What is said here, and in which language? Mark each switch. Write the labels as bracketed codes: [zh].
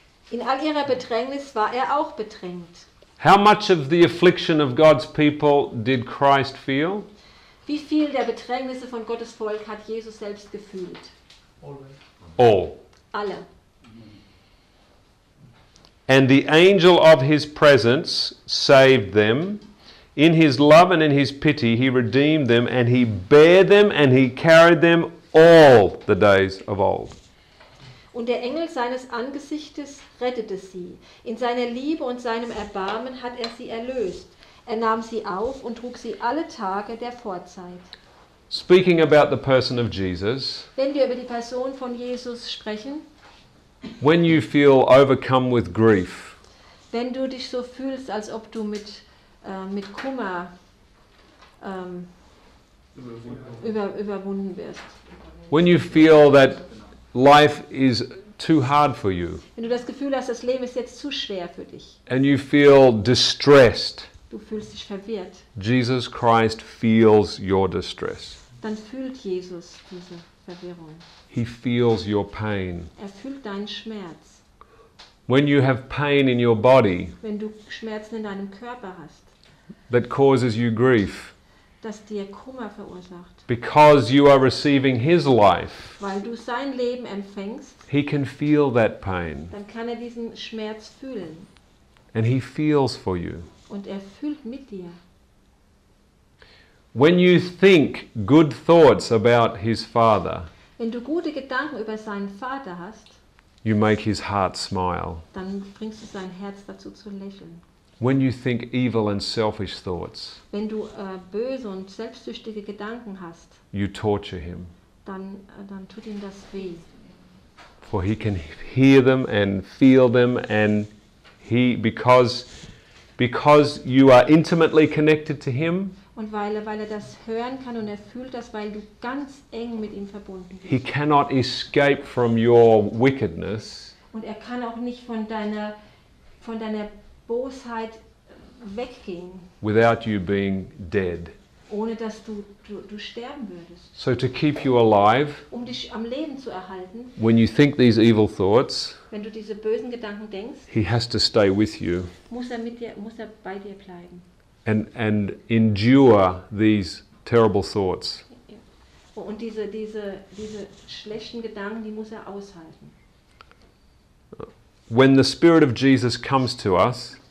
[de] In all ihrer Bedrängnis war er auch bedrängt. [en] How much of the affliction of God's people did Christ feel? [de] Wie viel der Bedrängnisse von Gottes Volk hat Jesus selbst gefühlt? [en] All. [de] Alle. [en] And the angel of his presence saved them. In his love and in his pity, he redeemed them, and he bare them and he carried them all the days of old. [de] Und der Engel seines Angesichtes rettete sie. In seiner Liebe und seinem Erbarmen hat er sie erlöst. Er nahm sie auf und trug sie alle Tage der Vorzeit. [en] Speaking about the person of Jesus, [de] wenn wir über die Person von Jesus sprechen, [en] when you feel overcome with grief, [de] wenn du dich so fühlst, als ob du mit Kummer überwunden wirst, [en] when you feel that life is too hard for you, [de] wenn du das Gefühl hast, das Leben ist jetzt zu schwer für dich, [en] and you feel distressed, [de] du fühlst dich verwirrt, [en] Jesus Christ feels your distress. [de] Dann fühlt Jesus diese Verwirrung. [en] He feels your pain. [de] Er fühlt deinen Schmerz. [en] When you have pain in your body, [de] wenn du Schmerzen in deinem Körper hast, [en] that causes you grief, [de] das dir Kummer verursacht, [en] because you are receiving his life, [de] weil du sein Leben empfängst, [en] he can feel that pain. [de] Dann kann er diesen Schmerz fühlen. [en] And he feels for you. [de] Und er fühlt mit dir. [en] When you think good thoughts about his father, [de] wenn du gute Gedanken über seinen Vater hast, [en] you make his heart smile. [de] Dann bringst du sein Herz dazu zu lächeln. [en] When you think evil and selfish thoughts, [de] wenn du böse und selbstsüchtige Gedanken hast, [en] you torture him. [de] Dann tut ihm das weh. [en] For he can hear them and feel them, and he because you are intimately connected to him. [de] Und weil er das hören kann und er fühlt das, weil du ganz eng mit ihm verbunden bist. [en] He cannot escape from your wickedness. [de] Und er kann auch nicht von deiner Bosheit weggehen. [en] Without you being dead. [de] Ohne dass du sterben würdest. [en] So to keep you alive. [de] Um dich am Leben zu erhalten. [en] When you think these evil thoughts. [de] Wenn du diese bösen Gedanken denkst. [en] He has to stay with you. [de] Muss er bei dir bleiben. [en] And endure these terrible thoughts. [de] Und diese schlechten Gedanken, die muss er aushalten. [en] When the Spirit of Jesus comes to us,